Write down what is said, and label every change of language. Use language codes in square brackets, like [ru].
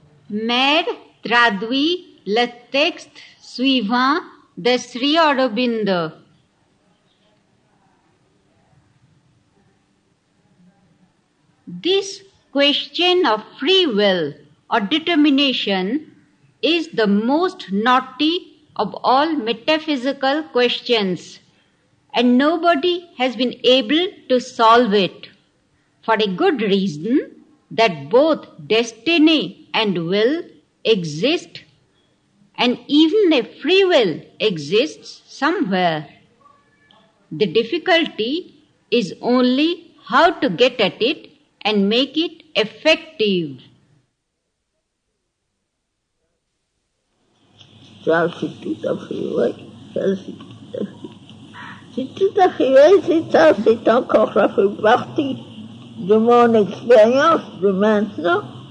[fr] Mère traduit le texte suivant de Sri Aurobindo. [en] This question of free will or determination is the most knotty of all metaphysical questions, and nobody has been able to solve it, for a good reason that both destiny and will exist, and even a free will exists somewhere. The difficulty is only how to get at it and make it effective. [fr] Ça, c'est tout à fait vrai. Ça, c'est tout à fait. C'est tout à fait vrai, c'est ça, c'est encore, ça fait partie de mon expérience de maintenant.